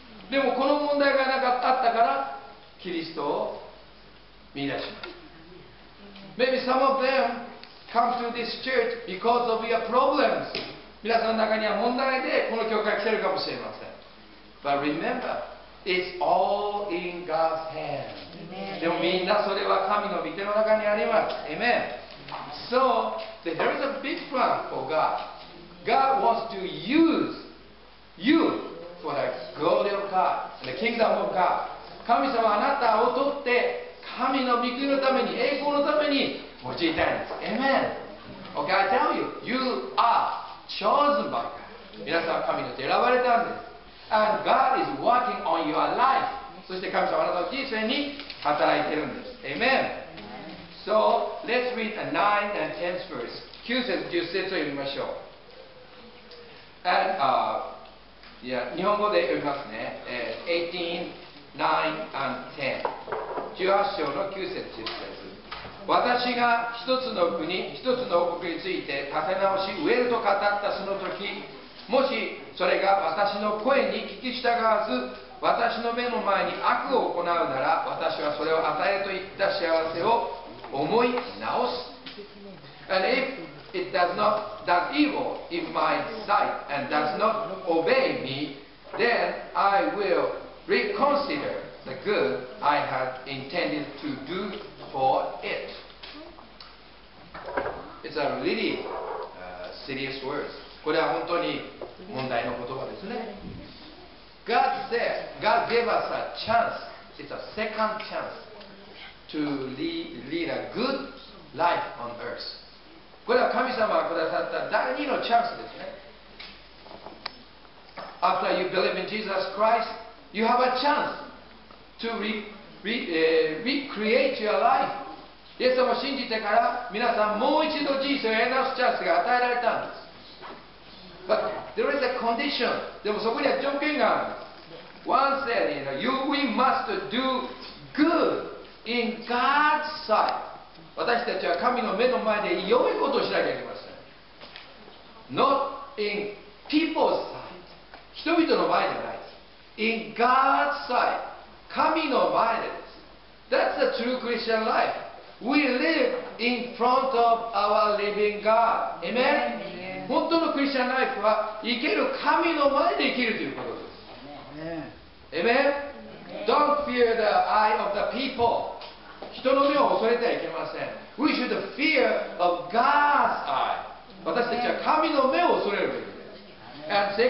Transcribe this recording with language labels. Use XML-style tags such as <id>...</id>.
<ja>でもこの問題がなかったからキリストを見出しました。</ja> <en>Maybe some of them come to this church because of your problems.</en> <ja>皆さんの中には問題でこの教会来てるかもしれません。</ja> <en>But remember, it's all in God's hand.</en> <ja>でもみんなそれは神の御手の中にあります。</ja> <en>Amen. So, there is a big plan for God. God wants to use you for the glory of God, the kingdom of God.</en> <ja>神様あなたを取って神の御国のために栄光のために用いたいんです。</ja> <en>Amen. Okay, I tell you, you are chosen by God.</en> <ja>皆さんは神の手選ばれたんです。</ja> <en>And God is working on your life.</en> <ja>そして神様はあなたの人生に働いているんです。</ja> <en>Amen. So, let's read the 9 and 10 verse.</en> <ja>9節、10節を読みましょう。</ja> <en>And, yeah,</en> <ja>日本語で読みますね。</ja> <en>18, 9 and 10.</en> <ja>18章の9節10節私が一つの国、一つの王国について立て直し、植えると語ったその時、もしそれが私の声に聞き従わず、私の目の前に悪を行うなら、私はそれを与えといった幸せを思い直す。</ja> <en>And if it does not that evil in my sight and does not obey me, then I will reconsider. The good I had intended to do for it. It's a really serious words.</en> <ja>これは本当に問題の言葉ですね。</ja> <en>God said, God gave us a chance. It's a second chance to lead a good life on earth.</en> <ja>これは神様がくださった第二のチャンスですね。</ja> <en>After you believe in Jesus Christ, you have a chance. To recreate your life.</en> <ja>イエス様を信じてから皆さんもう一度人生をやり直すチャンスが与えられたんです。</ja> <en>But there is a condition.</en> <ja>でもそこには条件がある。</ja> <en>One said, you know, we must do good in God's sight.</en> <ja>私たちは神の目の前で良いことをしなきゃいけません。</ja> <en>Not in people's sight.</en> <ja>人々の前じゃないです。</ja> <en>In God's sight.</en> <ja>神の前です。</ja> <en>That's the true Christian life. We live in front of our living God. Amen? Amen.</en> <ja>本当のクリスチャンライフは生ける神の前で生きるということです。</ja> <en>Amen? Amen? Don't fear the eye of the people.</en> <ja>人の目を恐れてはいけません。</ja> <en>We should fear of God's eye.</en> <ja>私たちは神の目を恐れるべきです。</ja>